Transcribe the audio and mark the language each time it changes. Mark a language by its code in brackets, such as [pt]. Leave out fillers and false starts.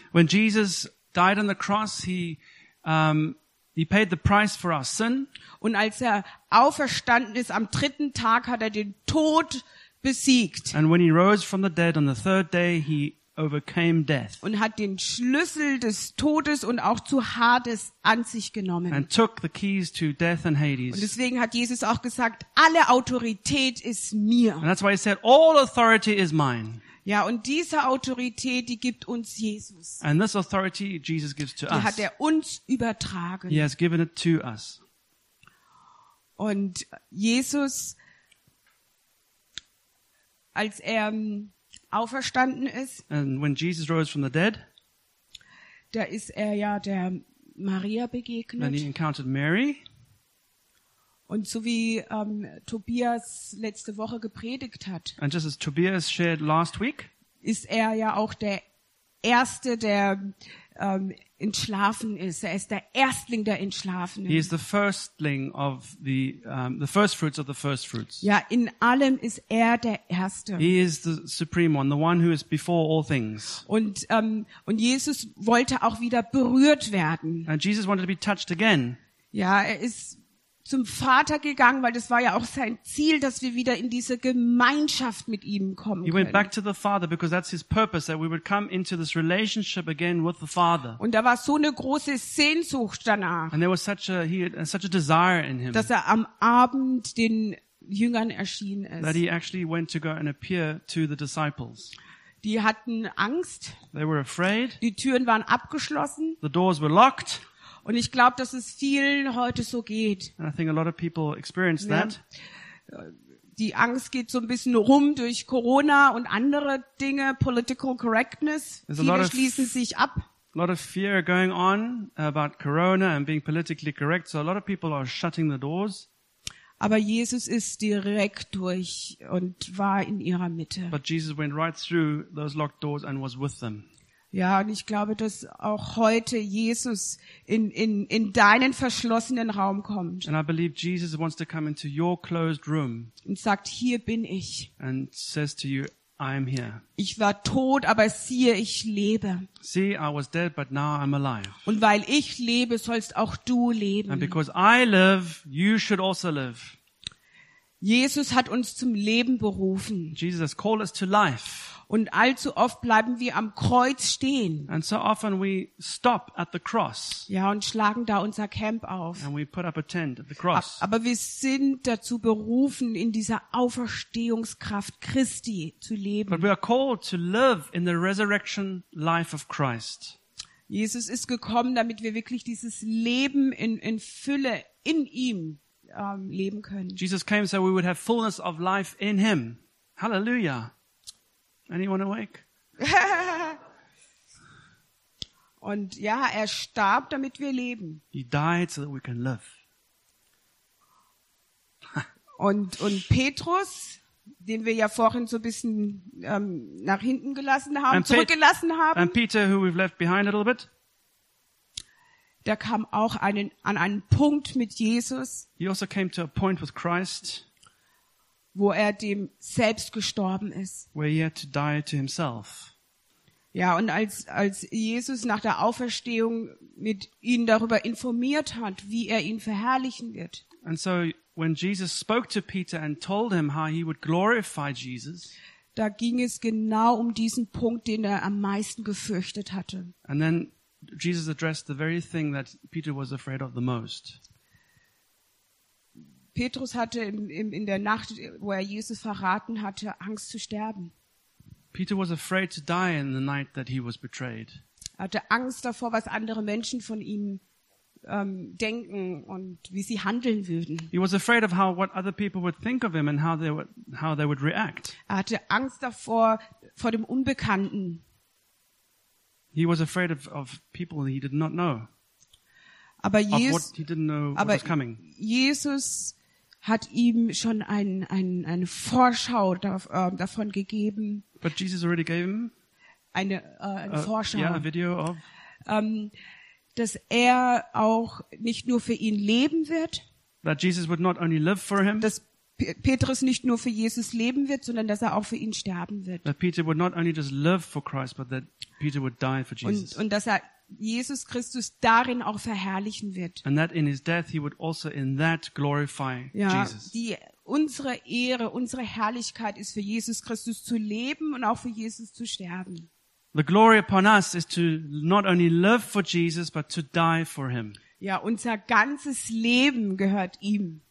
[en] When Jesus died on the cross, he paid the price for our sin. [de] Und als er auferstanden ist am dritten Tag, hat er den Tod besiegt. [en] And when he rose from the dead on the third day, he overcame death. [de] Und hat den Schlüssel des Todes und auch zu Hades an sich genommen. [en] And took the keys to death and Hades. [de] Und deswegen hat Jesus auch gesagt, alle Autorität ist mir. [en] And that's why he said, all authority is mine. [de] Ja, und diese Autorität, die gibt uns Jesus. [en] And this authority Jesus gives to us. [de] Die hat er uns übertragen. [en] He has given it to us. [de] Und Jesus, als er auferstanden ist, [en] and when Jesus rose from the dead, [de] da ist er ja der Maria begegnet. [en] And he encountered Mary. [de] Und so wie Tobias letzte Woche gepredigt hat, [en] and just as Tobias shared last week, [de] ist er ja auch der Erste, der entschlafen ist. Er ist der Erstling, der entschlafen ist. [en] He is the firstling of the first fruits of the first fruits. [de] Ja, in allem ist er der Erste. [en] He is the supreme one, the one who is before all things. [de] Und Jesus wollte auch wieder berührt werden. [en] And Jesus wanted to be touched again. [de] Ja, er ist zum Vater gegangen, weil das war ja auch sein Ziel, dass wir wieder in diese Gemeinschaft mit ihm kommen können. [en] He went back to the Father because that's his purpose, that we would come into this relationship again with the Father. [de] Und da war so eine große Sehnsucht danach. [en] And there was such a desire in him. [de] Dass er am Abend den Jüngern erschienen ist. [en] That he actually went to go and appear to the disciples. [de] Die hatten Angst. [en] They were afraid. [de] Die Türen waren abgeschlossen. [en] The doors were locked. [de] Und ich glaube, dass es vielen heute so geht. [en] And I think a lot of people experience that. [de] Die Angst geht so ein bisschen rum durch Corona und andere Dinge, [en] political correctness. There's [de] viele schließen sich ab. [en] A lot of fear going on about Corona and being politically correct. So a lot of people are shutting the doors. [de] Aber Jesus ist direkt durch und war in ihrer Mitte. [en] But Jesus went right through those locked doors and was with them. [de] Ja, und ich glaube, dass auch heute Jesus in deinen verschlossenen Raum kommt. [en] And I believe Jesus wants to come into your closed room. [de] Und sagt, hier bin ich. [en] And says to you, I am here. [de] Ich war tot, aber siehe, ich lebe. [en] See, I was dead, but now I'm alive. [de] Und weil ich lebe, sollst auch du leben. [en] And because I live, you should also live. [de] Jesus hat uns zum Leben berufen. [en] Jesus has called us to life. [de] Und allzu oft bleiben wir am Kreuz stehen. [en] And so often we stop at the cross. [de] Ja, und schlagen da unser Camp auf. [en] And we put up a tent at the cross. [de] Aber wir sind dazu berufen, in dieser Auferstehungskraft Christi zu leben. [en] But we are called to live in the resurrection life of Christ. [de] Jesus ist gekommen, damit wir wirklich dieses Leben in Fülle in ihm leben können. [en] Jesus came so we would have fullness of life in him. Hallelujah. Anyone awake? [de] Und ja, er starb, damit wir leben. [en] He died so that we can live. [de] und Petrus, den wir ja vorhin so ein bisschen nach hinten gelassen haben, zurückgelassen haben. [en] And Peter, who we've left behind a little bit. [de] Der kam auch an einen Punkt mit Jesus. [en] He also came to a point with Christ. [de] Wo er dem selbst gestorben ist. [en] Where he had to die to himself. [de] Ja, und als Jesus nach der Auferstehung mit ihnen darüber informiert hat, wie er ihn verherrlichen wird. [en] And so when Jesus spoke to Peter and told him how he would glorify Jesus. [de] Da ging es genau um diesen Punkt, den er am meisten gefürchtet hatte. [en] And then Jesus addressed the very thing that Peter was afraid of the most. [de] Petrus hatte in der Nacht, wo er Jesus verraten hatte, Angst zu sterben. [en] Peter was afraid to die in the night that he was betrayed. [de] Er hatte Angst davor, was andere Menschen von ihm denken und wie sie handeln würden. [en] He was afraid of how what other people would think of him and how they would react. [de] Er hatte Angst davor vor dem Unbekannten. [en] He was afraid of people he did not know. [de] Aber Jesus, [en] of what he didn't know what was coming. [de] Jesus hat ihm schon eine Vorschau davon gegeben. [en] But Jesus already gave him [de] eine Vorschau. [en] Yeah, a video of. [de] Dass er auch nicht nur für ihn leben wird. [en] That Jesus would not only live for him. [de] Dass Petrus nicht nur für Jesus leben wird, sondern dass er auch für ihn sterben wird. [en] That Peter would not only just live for Christ, but that Peter would die for Jesus. [de] Und dass er Jesus Christus darin auch verherrlichen wird. [en] And that in his death he would also in that glorify [de] ja, [en] Jesus. [de] Die unsere Ehre, unsere Herrlichkeit ist für Jesus Christus zu leben und auch für Jesus zu sterben. [en] The glory upon us is to not only live for Jesus but to die for him. [de] Ja, unser ganzes Leben gehört ihm.